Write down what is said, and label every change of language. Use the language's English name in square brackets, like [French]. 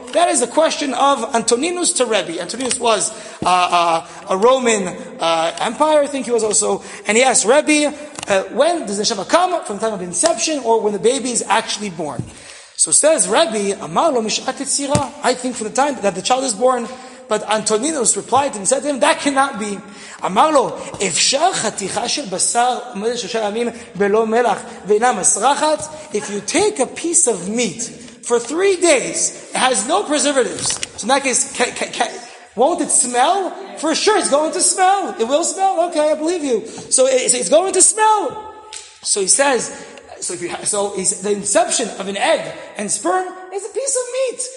[English] That is a question of Antoninus to Rebbe. Antoninus was a Roman empire, I think he was also, and he asked Rebbe, when does the neshama come? From the time of inception or when the baby is actually born? So says Rebbe, [Hebrew] amar lo mishat yitzira, [English] I think from the time that the child is born. But Antoninus replied and said to him, that cannot be. [Hebrew] אמר לו, אפשר חתיכה של בשר עומדת שלושה ימים בלא מלח ואינה מסרחת? [English] If you take a piece of meat for 3 days, it has no preservatives. So in that case, won't it smell? For sure, it's going to smell. It will smell? Okay, I believe you. So it's going to smell. So he says, the inception of an egg and sperm is a piece of meat.